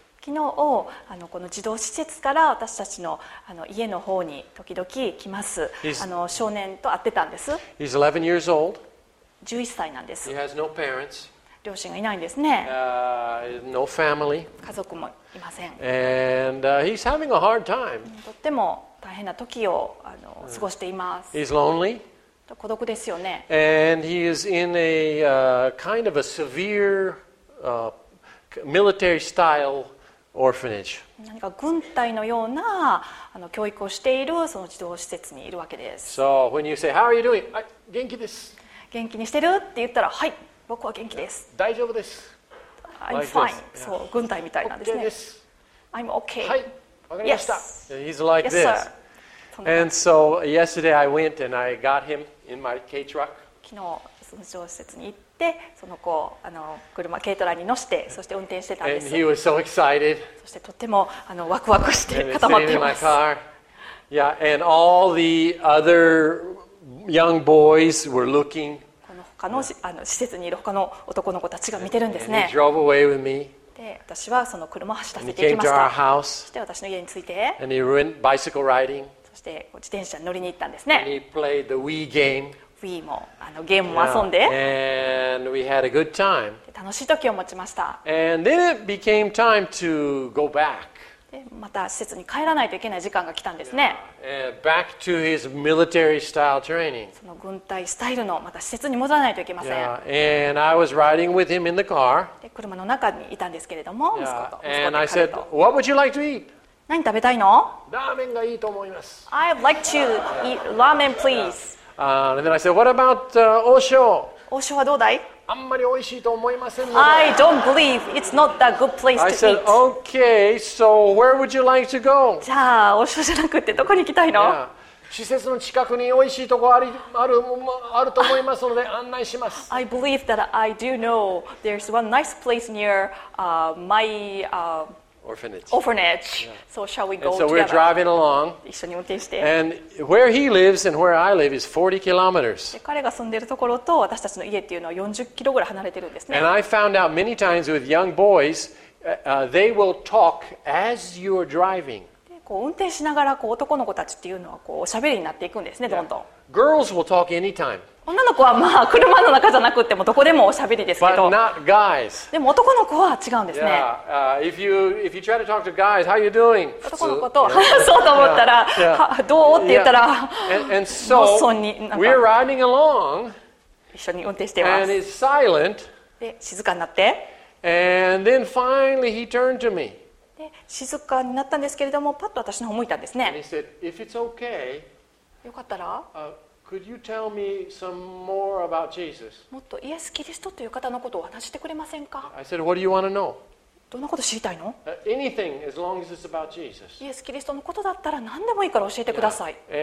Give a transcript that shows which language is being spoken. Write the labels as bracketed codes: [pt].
[ja] 昨日この児童施設から私たち の家の方に時々来ます少年と会ってたんです。 [en] He's 11 years old. [ja] 11歳なんです。 [en] He has no parents. [ja] 両親がいないんですね。 [en] No family. [ja] 家族もいません。 [en] And he's having a hard time. [ja] とっても大変な時を過ごしています。 [en] He's lonely. [ja] 孤独ですよね。 [en] And he is in a kind of a severe military style. [ja] 何か軍隊のような教育をしているその児童施設にいるわけです。 [en] So when you say, how are you doing? [ja] 元気です。元気にしてるって言ったら、はい、僕は元気です。大丈夫です。 [en] I'm fine. [ja] そう、軍隊みたいなんですね。 OK です。 [en] I'm OK. [ja] はい、わかりました。 [en] Yes. He's like this. And so yesterday I went and I got him in my K truck. [ja] 昨日その児童施設に行って、でその子を車軽トラに乗して、そして運転してたんです。 [en] And he was so excited. [ja] そしてとってもワクワクして固まっています。 [en] In my car. Yeah, and all the other young boys were looking. [ja] この他の、施設にいる他の男の子たちが見てるんですね。 [en] And he drove away with me. [ja] で私はその車を走らせていきました。 [en] And he came to our house. [ja] そして私の家に着いて。 [en] And he went bicycle riding. [ja] そして自転車に乗りに行ったんですね。 [en] And he played the Wii game. [ja] Wii もゲームも遊んで、 [en] and we had a good time. [ja] 楽しい時を持ちました。 [en] And then it became time to go back. [ja] でまた施設に帰らないといけない時間が来たんですね。 [en] Back to his military style training. [ja] その軍隊スタイルのまた施設に戻らないといけません。 [en] And I was riding with him in the car. [ja] で車の中にいたんですけれども、息子と、息子と彼と。 [en] And I said, "What would you like to eat? [ja] 何食べたいの? ラーメンがいいと思います。 [en] I'd like to eat ramen, please. And then I said, what about Osho? [ja] Osho はどうだい? あんまり美味しいと思いませんので。 [en] I don't believe it's not that good place to eat. I said, okay, so where would you like to go? [ja] じゃあ、Osho じゃなくてどこに行きたいの? [en] Yeah. [ja] 施設の近くに美味しいとこあり、ある、あると思いますので案内します。 [en] I believe that I do know there's one nice place near my orphanage. Yeah. So shall we go together? We're driving along. [ja] 一緒に運転して。 [en] And where he lives and where I live is 40 kilometers. [ja] 彼が住んでいるところと私たちの家っていうのは40キロぐらい離れてるんですね。 [en] And I found out many times with young boys, they will talk as you're driving. [ja] こう運転しながらこう男の子たちっていうのはこうおしゃべりになっていくんですね、どんどん。 [en] Yeah. Girls will talk anytime. [ja] 女の子はまあ車の中じゃなくてもどこでもおしゃべりですけど。 [en] But not guys. [ja] でも男の子は違うんですね。 [en] Yeah. If you try to talk to guys, how you doing? [ja] 男の子と話そうと思ったら、どうって言ったら、もうそんになんか。 [en] We're riding along. [ja] 一緒に運転しています。 [en] And it's silent. [ja] で静かになって。 [en] And then finally he turned to me. [ja] 静かになったんですけれども、パッと私の方向いたんですね。 [en] Said, okay, [ja] よかったら、 [en] could you tell me some more about Jesus? [ja] もっとイエス・キリストという方のことを話してくれませんか。 [en] I said, what do you want to know? [ja] どんなこと知りたいの。 [en] Anything, as long as it's about Jesus. [ja] イエス・キリストのことだったら何でもいいから教えてください。